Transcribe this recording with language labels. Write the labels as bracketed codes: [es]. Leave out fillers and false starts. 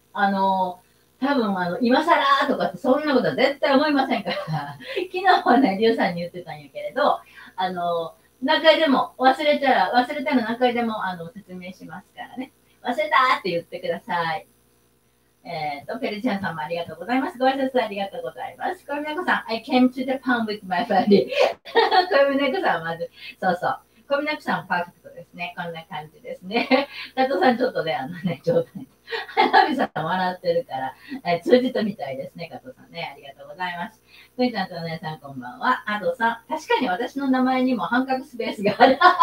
[ja] 多分、今更とかって、そんなことは絶対思いませんから。昨日はね、リュウさんに言ってたんやけれど、何回でも、忘れたら何回でも、説明しますからね。忘れたって言ってください。ペルチアンさんもありがとうございます。ご挨拶ありがとうございます。 [en] 小峰子さん、I came to Japan with my family. [ja] 小峰子さんまず、そうそう。小峰子さんパーフェクトですね。こんな感じですね。佐藤さん、ちょっとね、状態。花火さん笑ってるから、通じたみたいですね、加藤さんね。ありがとうございます。クイちゃんとお姉さん、こんばんは。アドさん、確かに私の名前にも半角スペースがある。